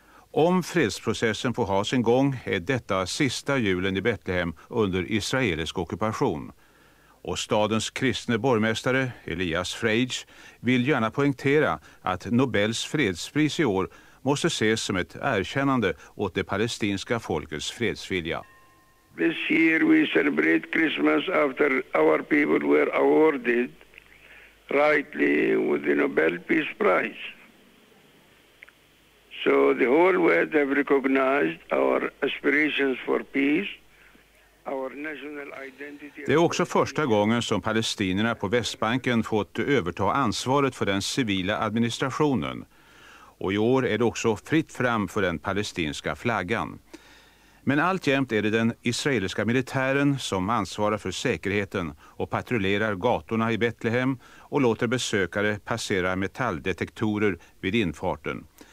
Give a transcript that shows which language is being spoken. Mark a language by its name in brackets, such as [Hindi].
[Swedish] Om fredsprocessen får ha sin gång är detta sista julen i Betlehem under israelisk ockupation. Och stadens kristne borgmästare Elias Frage vill gärna poängtera att Nobels fredspris i år måste ses som ett erkännande åt det palestinska folkets fredsvilja. [English] This year we celebrate Christmas after our people were awarded rightly with the Nobel Peace Prize. So the whole world have recognized our aspirations for peace. [Swedish] Det är också första gången som palestinierna på Västbanken fått överta ansvaret för den civila administrationen. Och i år är det också fritt fram för den palestinska flaggan. Men alltjämt är det den israeliska militären som ansvarar för säkerheten och patrullerar gatorna i Betlehem och låter besökare passera metalldetektorer vid infarten.